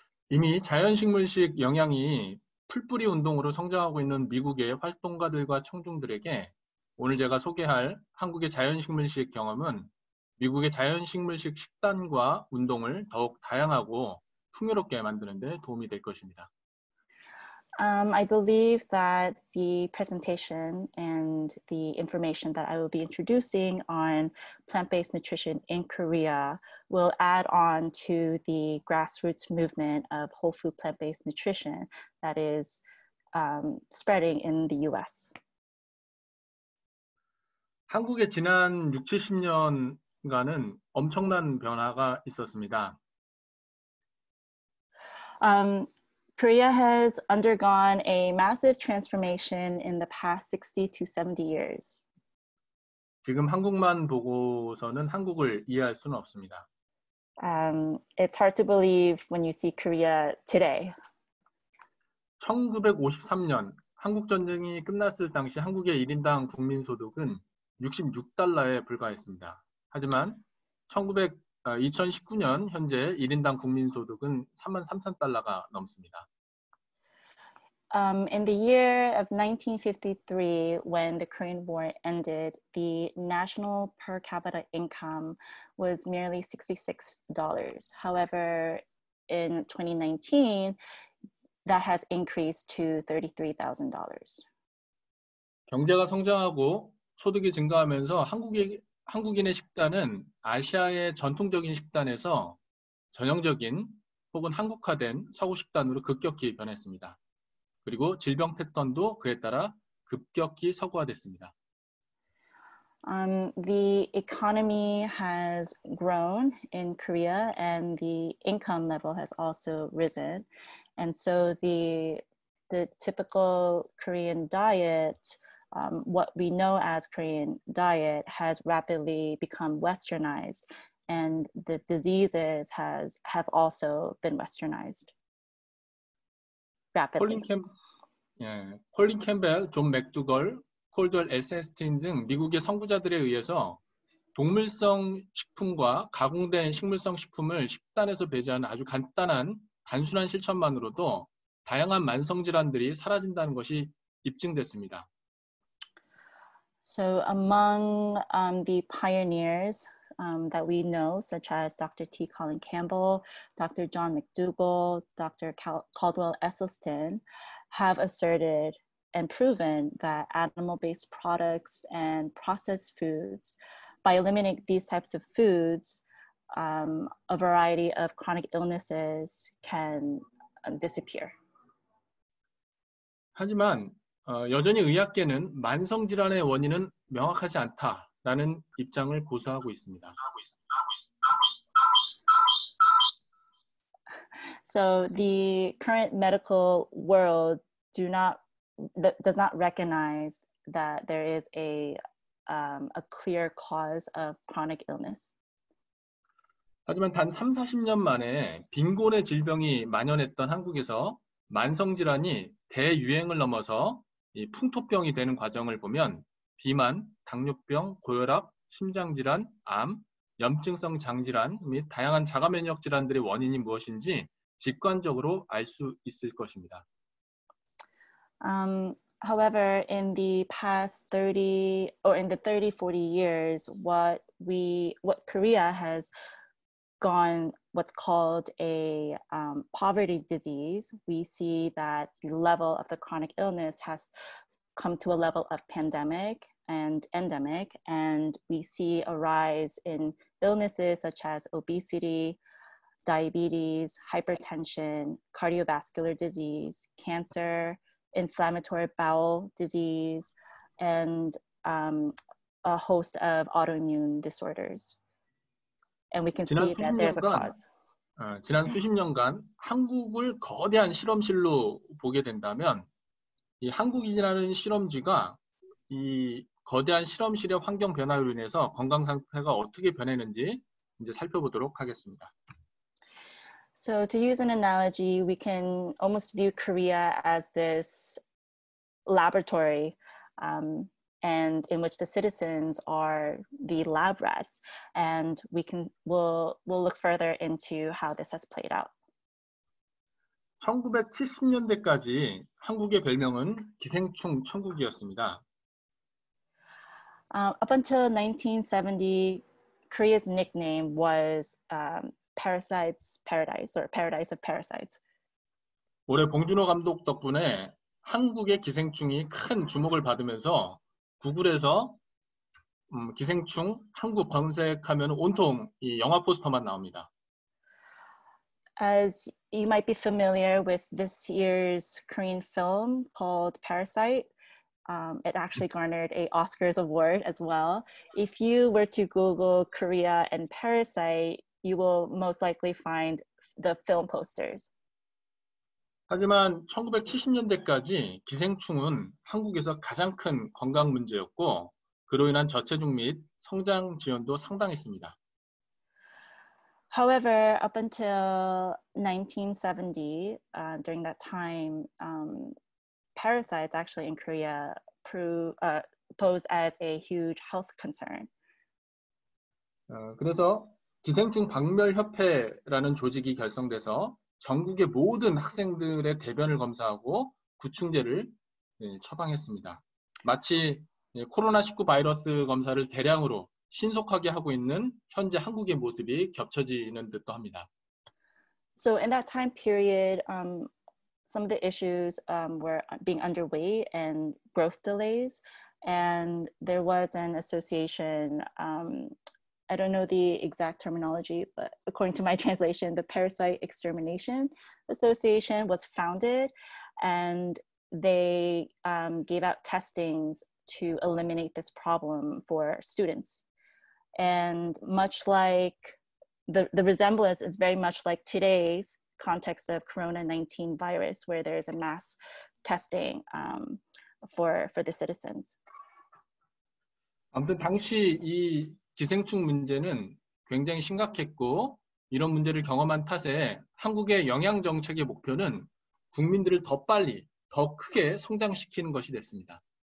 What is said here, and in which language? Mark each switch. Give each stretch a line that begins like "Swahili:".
Korean: 이미 자연식물식 영양이 풀뿌리 운동으로 성장하고 있는 미국의 활동가들과 청중들에게 오늘 제가 소개할 한국의 자연식물식 경험은 미국의 자연식물식 식단과 운동을 더욱 다양하고 풍요롭게 만드는 데 도움이 될 것입니다.
English: I believe that the presentation and the information that I will be introducing on plant-based nutrition in Korea will add on to the grassroots movement of whole food plant-based nutrition that is spreading in the US.
Korean: 한국의 지난 6, 70년간은 엄청난 변화가 있었습니다.
English: Korea has undergone a massive transformation in the past 60 to 70 years.
Korean: 지금 한국만 보고서는 한국을 이해할 수는 없습니다.
English: It's hard to believe when you see Korea today.
Korean: 1953년 한국 전쟁이 끝났을 당시 한국의 1인당 국민 소득은 66달러에 불과했습니다. 하지만 2019년 현재 1인당 국민 소득은 33,000달러가 넘습니다.
English: In the year of 1953, when the Korean War ended, the national per capita income was merely $66. However, in 2019, that has increased to $33,000.
Korean: 경제가 성장하고 소득이 증가하면서 한국인의 식단은 아시아의 전통적인 식단에서 전형적인 혹은 한국화된 서구 식단으로 급격히 변했습니다. 그리고 질병 패턴도 그에 따라 급격히 서구화됐습니다.
English: The economy has grown in Korea and the income level has also risen. And so the typical Korean diet, what we know as Korean diet, has rapidly become westernized and the diseases have also been westernized rapidly.
Korean: 콜린 캠벨, 존 맥두걸, 콜드웰 에센스틴 등 미국의 선구자들에 의해서 동물성 식품과 가공된 식물성 식품을 식단에서 배제하는 아주 간단한 단순한 실천만으로도 다양한 만성질환들이 사라진다는 것이 입증됐습니다.
English: So among the pioneers that we know, such as Dr. T. Colin Campbell, Dr. John McDougall, Dr. Caldwell Esselstyn, have asserted and proven that animal-based products and processed foods, by eliminating these types of foods, a variety of chronic illnesses can disappear.
Korean: 하지만 여전히 의학계는 만성 질환의 원인은 명확하지 않다라는 입장을 고수하고 있습니다.
English: So the current medical world does not recognize that there is a clear cause of chronic illness.
Korean: 하지만 단 3, 40년 만에 빈곤의 질병이 만연했던 한국에서 만성 질환이 대유행을 넘어서 이 풍토병이 되는 과정을 보면 비만, 당뇨병, 고혈압, 심장질환, 암, 염증성 장질환 및 다양한 자가 면역 질환들의 원인이 무엇인지 직관적으로 알 수 있을 것입니다.
English: However, in the past 30, 40 years, what Korea has gone what's called a poverty disease, we see that the level of the chronic illness has come to a level of pandemic and endemic, and we see a rise in illnesses such as obesity, diabetes, hypertension, cardiovascular disease, cancer, inflammatory bowel disease, and a host of autoimmune disorders. And we can see that there's a cause.
Korean: 지난 수십 년간 한국을 거대한 실험실로 보게 된다면 이 한국인이라는 실험지가 이 거대한 실험실의 환경 변화로 인해서 건강 상태가 어떻게 변했는지 이제 살펴보도록 하겠습니다.
English: So to use an analogy, we can almost view Korea as this laboratory and in which the citizens are the lab rats, and we'll look further into how this has played out.
Korean: 1970년대까지 한국의 별명은 기생충 천국이었습니다.
English: Up until 1970, Korea's nickname was Parasites Paradise or Paradise of Parasites.
Korean: 올해 봉준호 감독 덕분에 한국의 기생충이 큰 주목을 받으면서 구글에서 기생충 한국 검색하면 온통 이 영화 포스터만 나옵니다.
English: As you might be familiar with this year's Korean film called Parasite, it actually garnered an Oscars award as well. If you were to Google Korea and Parasite, you will most likely find the film posters.
Korean: 하지만 1970년대까지 기생충은 한국에서 가장 큰 건강 문제였고 그로 인한 저체중 및 성장 지연도 상당했습니다.
English: However, up until 1970, during that time, parasites actually in Korea posed as a huge health concern.
Korean: 그래서 기생충 박멸협회라는 조직이 결성돼서 전국의 모든 학생들의 대변을 검사하고 구충제를 처방했습니다. 마치 코로나19 바이러스 검사를 대량으로 신속하게 하고 있는 현재 한국의 모습이 겹쳐지는 듯도 합니다.
English: So in that time period, some of the issues were being underway and growth delays, and there was an association. I don't know the exact terminology, but according to my translation, the Parasite Extermination Association was founded, and they gave out testings to eliminate this problem for students. And much like the resemblance is very much like today's context of Corona 19 virus, where there is a mass testing for the citizens.
Korean: 아무튼 당시 이 기생충 문제는 굉장히 심각했고 이런 문제를 경험한 탓에 한국의 영양 정책의 목표는 국민들을 더 빨리 더 크게 성장시키는 것이 됐습니다.